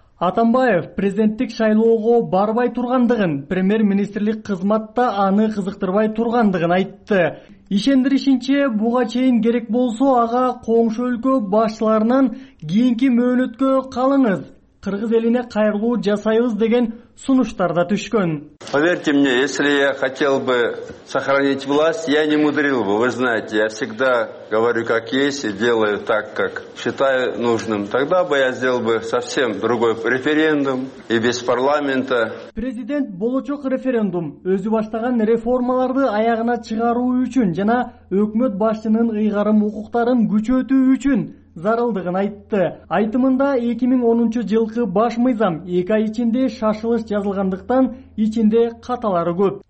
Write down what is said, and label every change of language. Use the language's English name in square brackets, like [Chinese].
[Kyrgyz] Атамбаев президенттик шайлоого барбай тургандыгын, премьер-министрлик кызматта аны кызыктырбай тургандыгын айтты. Ишендиришинче, буга чейин керек болсо ага коңшу өлкө башчыларынан кийинки мөөнөткө калыңыз, кыргыз элине кайрылуу жасайбыз деген сунуштар да түшкөн. [Russian] Поверьте мне, если я хотел бы сохранить власть, я не мудрил бы. Вы знаете, я всегда говорю как есть и делаю так, как считаю нужным. Тогда бы я сделал бы совсем другой референдум и без парламента. [Kyrgyz] Президент болочок референдум, өзү баштаган реформаларды аягына чыгаруу үчүн жана өкмөт башчынын ыйгарым укуктарын күчөтүү үчүн зарылдыгын айтты. Айтымында 2010 жылкы баш мыйзам эки ай ичинде шашылыш жазылгандыктан ичинде каталары көп.